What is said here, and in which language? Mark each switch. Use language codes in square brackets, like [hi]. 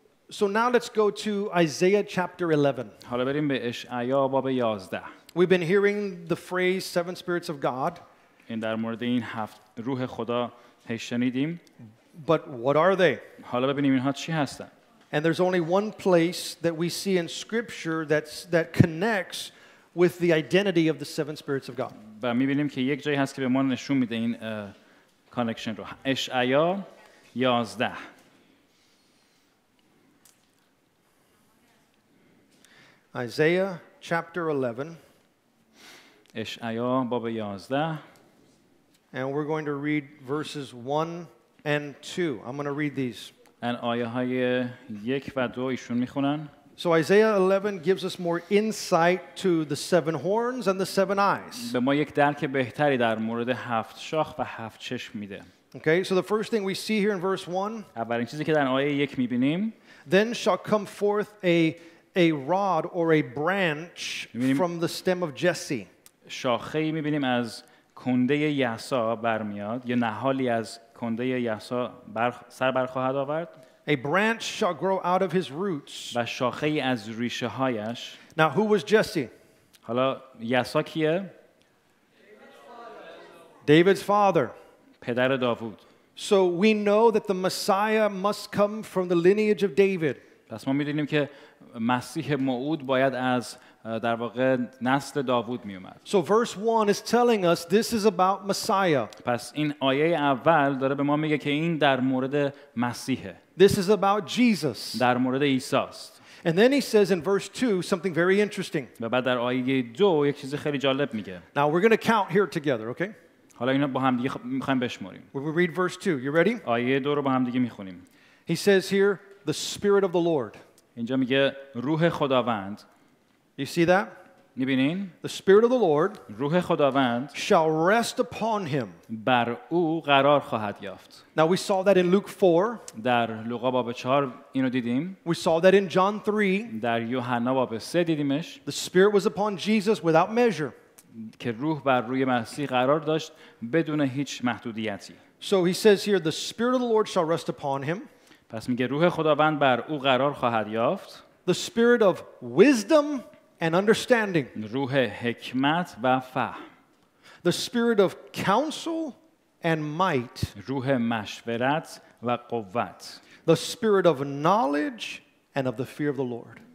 [en] So now let's go to Isaiah chapter 11. [fa] حالا بریم به اشعیا باب 11. [en] We've been hearing the phrase seven spirits of God. [fa] این در مورد این هفت روح خدا شنیدیم. [en] But what are they? [fa] حالا ببینیم اینها چی هستن. [en] And there's only one place that we see in scripture that connects with the identity of the seven spirits of God. [fa] و می‌بینیم که یک جایی هست که به ما نشون میده این connection رو اشعیا 11 [en] Isaiah chapter 11. [fa] Eshaya bab 11. [en] And we're going to read verses 1 and 2. I'm going to read these. [fa] An ayahay 1 va 2 ishun mikhunan. [en] So Isaiah 11 gives us more insight to the seven horns and the seven eyes. [fa] به ما یک درک بهتری در مورد هفت شاخ و هفت چشم میده. [en] Okay, so the first thing we see here in verse 1, [fa] اولین چیزی که در آیه 1 میبینیم, [en] then shall come forth a rod or a branch from the stem of Jesse. [fa] شاخه‌ای میبینیم از کنده یسا برمیاد یا نهالی از کنده یسا سر برخواهد آورد. [en] A branch shall grow out of his roots. [fa] و شاخه‌ای از ریشه‌هایش. [en] Now who was Jesse? [fa] حالا یسا کیه؟ [en] David's father. [fa] پدر داوود. [en] So we know that the Messiah must come from the lineage of David. [fa] پس ما می‌دونیم که مسیح موعود باید از در واقع نسل داوود میومد. [en] So verse 1 is telling us this is about Messiah. [fa] پس این آیه اول داره به ما میگه که این در مورد مسیحه. [en] This is about Jesus. [fa] در مورد عیساست. [en] And then he says in verse 2 something very interesting. [fa] و بعد در آیه 2 یک چیز خیلی جالب میگه. [en] Now we're going to count here together, okay? [fa] حالا اینا با هم دیگه می‌خوایم بشماریم. [en] We'll read verse 2. You ready? [fa] آیه 2 رو با هم دیگه می‌خونیم. [en] He says here the spirit of the Lord. [fa] اینجا میگه روح خداوند. [en] You see that? [fa] می‌بینین؟ [en] The spirit of the Lord, [fa] روح خداوند, [en] shall rest upon him. [fa] بر او قرار خواهد یافت. [en] Now we saw that in Luke 4. [fa] در لوقا باب 4 اینو دیدیم. [en] We saw that in John 3. [fa] در یوحنا باب 3 دیدیمش. [en] The spirit was upon Jesus without measure. [fa] که روح بر روی مسیح قرار داشت بدون هیچ محدودیتی. [en] So he says here the spirit of the Lord shall rest upon him. [fa] پس میگه روح خداوند بر او قرار خواهد یافت. [en] The spirit of wisdom and understanding. [fa] روح حکمت و فهم. [en] The spirit of counsel and might. [fa] روح مشورت و قوت. [en] The spirit of knowledge and of the fear of the Lord.